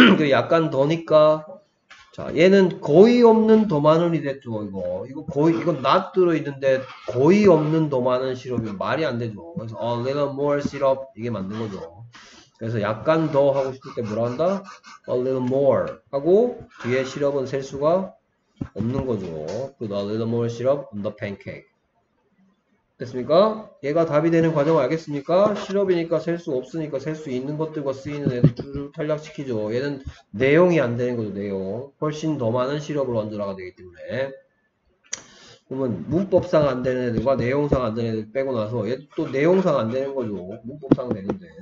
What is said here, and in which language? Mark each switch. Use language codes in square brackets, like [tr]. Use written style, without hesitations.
[ko] 약간 더니까. 자, 얘는 거의 없는 더 많은이 됐죠, 이거. 이거 거의, 이건 not 들어있는데 거의 없는 더 많은 시럽이 말이 안 되죠. [en] 그래서 a little more syrup [ko] 이게 맞는 거죠. 그래서 약간 더 하고 싶을 때 뭐라 한다? [en] a little more [ko] 하고 뒤에 시럽은 셀 수가 없는 거죠. [en] put a little more syrup on the pancake. [ko] 됐습니까? 얘가 답이 되는 과정을 알겠습니까? 시럽이니까 셀수 없으니까 셀수 있는 것들과 쓰이는 애들 쭉 탈락시키죠. 얘는 내용이 안 되는 거죠, 내용. 훨씬 더 많은 시럽을 얹으라가 되기 때문에. 그러면 문법상 안 되는 애들과 내용상 안 되는 애들 빼고 나서 얘또 내용상 안 되는 거죠. 문법상 되는데.